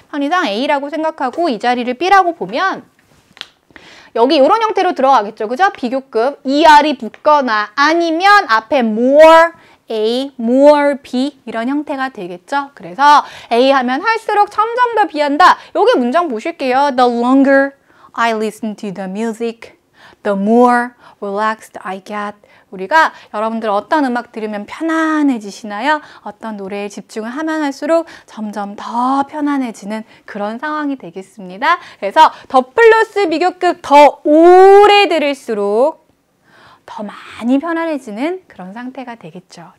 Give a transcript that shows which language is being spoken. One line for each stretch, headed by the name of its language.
Korean: 편의상 A라고 생각하고 이 자리를 B라고 보면 여기 이런 형태로 들어가겠죠, 그죠? 비교급, er이 붙거나 아니면 앞에 more a, more b 이런 형태가 되겠죠? 그래서 a 하면 할수록 점점 더 b한다. 여기 문장 보실게요.
English: The longer I listen to the music, the more relaxed I get.
Korean: 우리가 여러분들 어떤 음악 들으면 편안해지시나요? 어떤 노래에 집중을 하면 할수록 점점 더 편안해지는 그런 상황이 되겠습니다. 그래서 더 플러스 비교급 더 오래 들을수록 더 많이 편안해지는 그런 상태가 되겠죠.